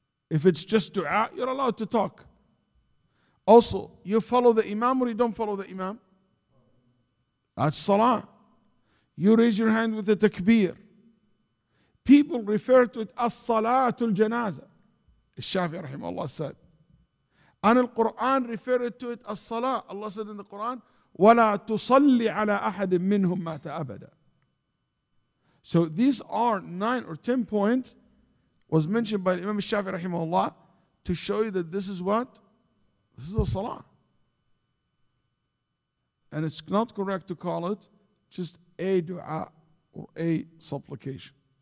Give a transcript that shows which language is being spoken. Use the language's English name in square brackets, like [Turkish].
[English] If it's just dua, you're allowed to talk. Also, you follow the imam or you don't follow the imam? That's salah. You raise your hand with the takbir. People refer to it as Salatul Janazah. Al-Shafi'i rahimahullah said. And the Quran referred to it as Salah. [Arabic] Allah said in the Quran, وَلَا تُصَلِّ عَلَىٰ أَحَدٍ مِّنْهُمْ مَاتَ أَبَدًا. [English] So these are 9 or 10 points was mentioned by Imam Al-Shafi'i rahimahullah to show you that this is what? This is a Salah. And it's not correct to call it just a dua or a supplication.